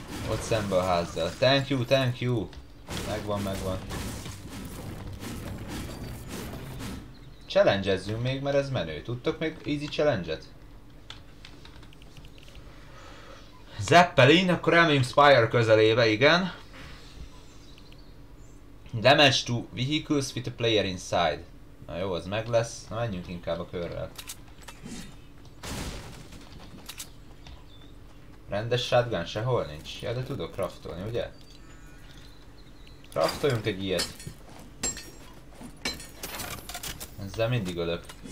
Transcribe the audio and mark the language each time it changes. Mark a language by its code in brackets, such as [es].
[hu] Ott szembe a házzal. [en] Thank you, thank you. [hu] Megvan, megvan. Challenge-ezzünk még, mert ez menő. Tudtok még easy challenge-et? Zeppelin, akkor elmegyünk Spire közelébe, igen. [en] Damage to vehicles with a player inside. [hu] Na jó, az meg lesz. Na, menjünk inkább a körrel. Rendes shotgun sehol nincs. Ja, de tudok craftolni, ugye? Craftoljunk egy ilyet. Ezzel mindig ölök.